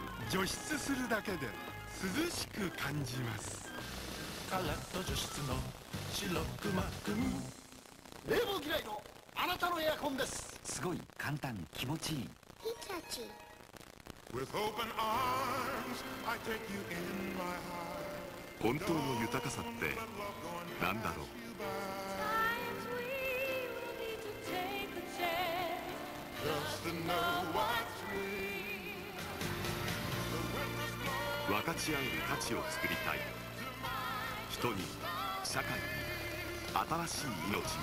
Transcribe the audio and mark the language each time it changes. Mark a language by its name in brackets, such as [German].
[Japanese] 除湿するだけで涼しく感じます。カラット女子2のシロクマくん。冷房嫌いのあなたのエアコンです。すごい簡単気持ちいい。ヒタチ。 [English] With open arms, I take you in my heart. [Japanese] 本当の豊かさって何だろう。分かち合える価値を作りたい。人に、社会に、新しい命に。